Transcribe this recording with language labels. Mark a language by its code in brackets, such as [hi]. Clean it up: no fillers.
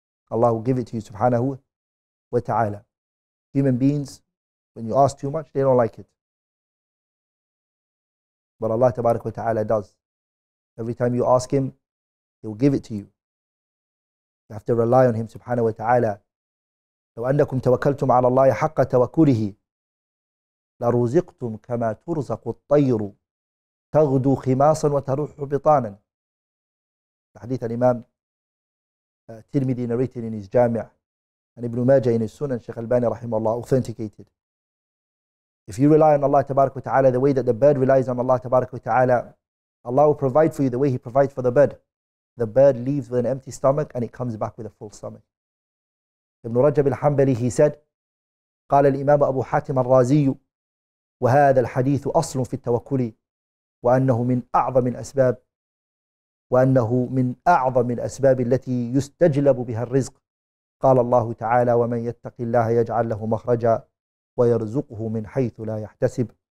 [en] Allah will give it to you, subhanahu wa ta'ala. Human beings, when you ask too much, they don't like it. But Allah tabarak wa ta'ala does. Every time you ask Him, He will give it to you. You have to rely on Him, subhanahu wa ta'ala. [ar] لو أنكم توكلتم على الله حق توكله لرزقتم كما ترزق الطير تغدو خماصا وتروح بطانا. [en] The hadith of Imam Tirmidhi narrated in his Jami' and Ibn Majah in his Sunnah, Shaykh Albani rahimahullah authenticated. If you rely on Allah tabarak wa ta'ala the way that the bird relies on Allah tabarak wa ta'ala, Allah will provide for you the way He provides for the bird. The bird leaves with an empty stomach and it comes back with a full stomach. [ar] Ibn Rajab al-Hanbali, [en] he said, [ar] قال الإمام أبو حاتم الرازي وهذا الحديث أصل في التوكل وأنه من أعظم الأسباب وأنه من أعظم الأسباب التي يستجلب بها الرزق قال الله تعالى ومن يتق الله يجعل له مخرجا ويرزقه من حيث لا يحتسب.